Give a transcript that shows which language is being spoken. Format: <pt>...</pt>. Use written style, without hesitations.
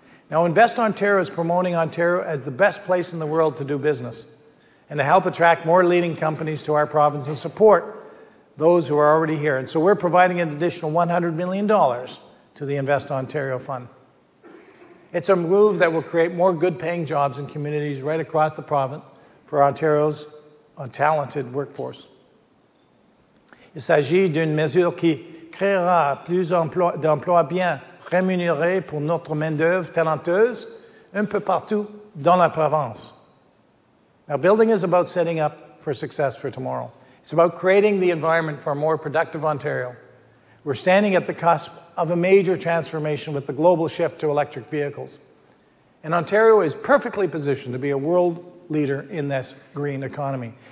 <en>Now, Invest Ontario is promoting Ontario as the best place in the world to do business and to help attract more leading companies to our province and support those who are already here. And so we're providing an additional $100 million to the Invest Ontario Fund. It's a move that will create more good-paying jobs in communities right across the province for Ontario's talented workforce.</en> <fr>Il s'agit d'une mesure qui créera plus d'emplois bien rémunérés pour notre main-d'œuvre talenteuse un peu partout dans la province.</fr> <en>Now, building is about setting up for success for tomorrow. It's about creating the environment for a more productive Ontario. We're standing at the cusp of a major transformation with the global shift to electric vehicles. And Ontario is perfectly positioned to be a world leader in this green economy.</en>